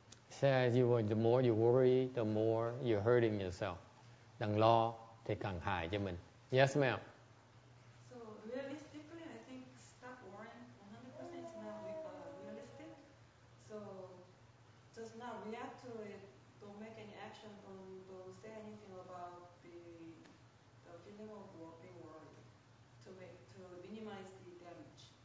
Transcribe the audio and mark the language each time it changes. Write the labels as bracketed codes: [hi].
[en] Says you the more you worry, the more you're hurting yourself. [vi] Đừng lo thì càng hại cho mình. [en] Yes, ma'am. So realistically, I think stop worrying 100% is not realistic. So just not react to it, don't make any action, don't say anything about the feeling of being worried to minimize the damage.